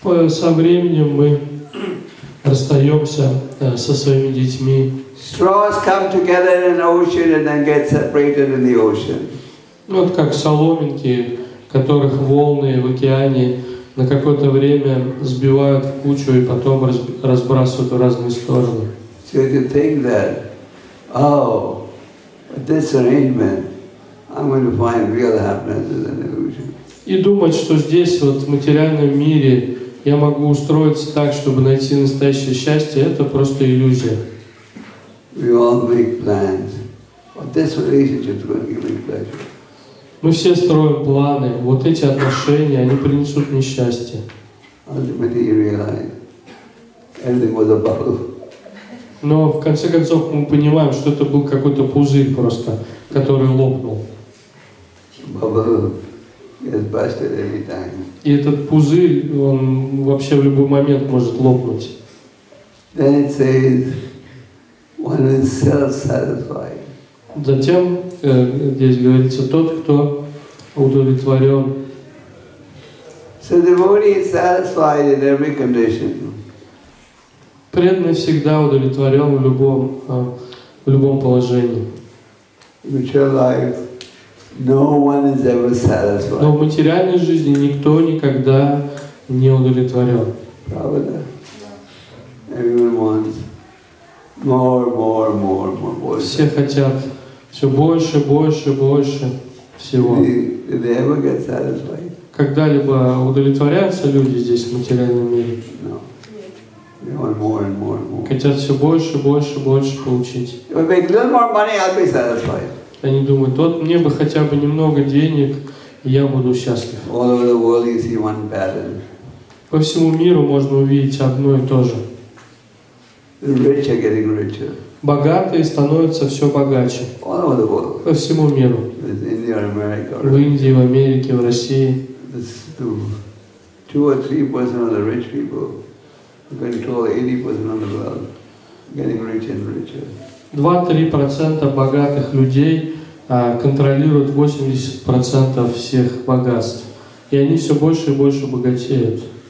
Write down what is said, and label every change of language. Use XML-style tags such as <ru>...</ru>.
<ru>Со временем мы расстаемся со своими детьми.</ru> <en>Straws come together in an ocean and then get separated in the ocean.</en> <ru>Вот как соломинки, которых волны в океане на какое-то время сбивают в кучу и потом разбрасывают в разные стороны.</ru> <en>So you can think that, oh, with this arrangement, I'm going to find real happiness in an ocean.</en> <ru>И думать, что здесь вот в материальном мире я могу устроиться так, чтобы найти настоящее счастье, это просто иллюзия.</ru> <en>We all make plans. But this relationship is going to give me pleasure.</en> <ru>Мы все строим планы. Вот эти отношения, они принесут мне счастье.</ru> <en>Ultimately, you realize everything was a bubble.</en> <ru>Но в конце концов мы понимаем, что это был какой-то пузырь просто, который лопнул.</ru> <en>Bubble gets busted every time.</en> <ru>И этот пузырь, он вообще в любой момент может лопнуть.</ru> <en>Then it says. One is self-satisfied.</en> <ru>Затем здесь говорится тот, кто удовлетворен.</ru> <en>So the devotee is satisfied in every condition.</en> <ru>Преданный всегда удовлетворен в любом положении.</ru> <en>In material life, no one is ever satisfied.</en> <ru>Но в материальной жизни никто никогда не удовлетворен. Правда?</ru> <en>Everyone wants. More.</en> <ru>Все хотят все больше всего.</ru> <en>They ever get satisfied?</en> <ru>Когда-либо удовлетворяются люди здесь в материальном мире?</ru> <en>No. They want more.</en> <ru>Хотят все больше получить.</ru> <en>If I make a little more money, I'll be satisfied.</en> <ru>Они думают, вот мне бы хотя бы немного денег, и я буду счастлив.</ru> <en>All over the world you see one pattern.</en> <ru>По всему миру можно увидеть одно и то же.</ru> <en>Rich are getting richer.</en> <ru>Богатые становятся все богаче.</ru> <en>All over the world.</en> <ru>По всему миру. В Индии, в Америке, в России.</ru> <en>Two or three percent of the rich people control 80% of the world, getting richer and richer.</en> <ru>2-3% богатых людей контролируют 80% всех богатств, и они все больше и больше богатеют.</ru>